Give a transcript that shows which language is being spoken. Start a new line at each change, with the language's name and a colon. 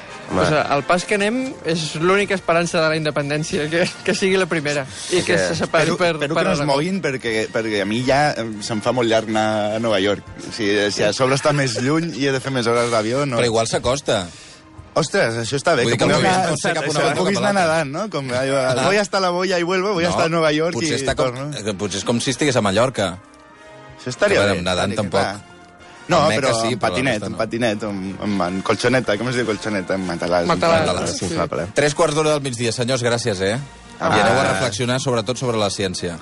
Catalan: O sigui, el pas que anem és l'única esperança de la independència, que sigui la primera i que se separi per... Espero que no es moguin, perquè a mi ja se'm fa molt llarg anar a Nova York. Si a sobre està més lluny i he de fer més hores d'avió... No. Però igual s'acosta. Ostres, això està bé. Que puguis anar nedant, no?
Spanish: Com, voy hasta la boya y vuelvo, voy hasta Nova York
Catalan: i torno. Potser és com si estigués a Mallorca. Això estaria bé. Nedant tampoc. No, però en patinet, en colxoneta, com es diu colxoneta? En matalàs. Matalàs. 3:15 del migdia, senyors, gràcies, eh? I aneu a reflexionar, sobretot, sobre la ciència.